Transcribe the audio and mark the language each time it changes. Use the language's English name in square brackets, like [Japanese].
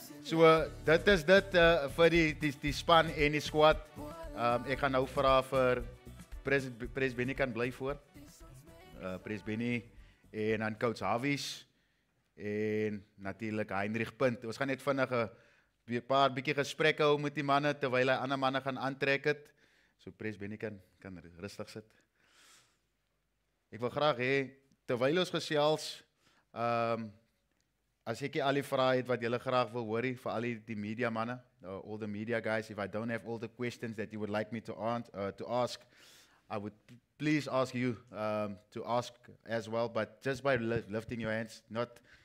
[Afrikaans] So, dit is dit vir die span en die squad. Ek gaan nou vra vir Pres Bennie kan bly voor. Pres Bennie en dan Coach Hawies en natuurlijk Heinrich Punt. Ons gaan net vinnig 'n paar bietjie gesprekke hou met die manne terwyl hy ander manne gaan aantrek het. So Pres Bennie kan rustig sit. Ek wil graag hê terwyl ons gesels as ek al die vrae het wat julle graag wil hoor, vir al die media manne, [English] all the media guys, if I don't have all the questions that you would like me to ask, I would please ask you to ask as well, but just by lifting your hands, not